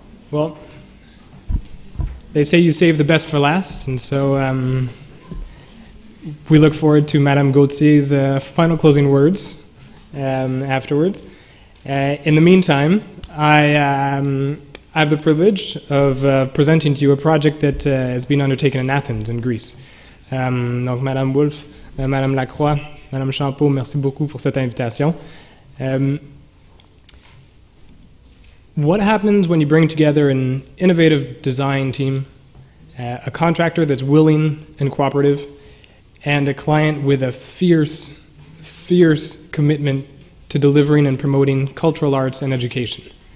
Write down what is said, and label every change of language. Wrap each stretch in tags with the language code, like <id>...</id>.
<en>Well, they say you save the best for last, and so we look forward to Madame Gauthier's final closing words afterwards. In the meantime, I have the privilege of presenting to you a project that has been undertaken in Athens, in Greece.</en> <fr>Donc, Madame Wolf, Madame Lacroix, Madame Champeau, merci beaucoup pour cette invitation.</fr> <en>What happens when you bring together an innovative design team, a contractor that's willing and cooperative, and a client with a fierce, fierce commitment to delivering and promoting cultural arts and education?</en>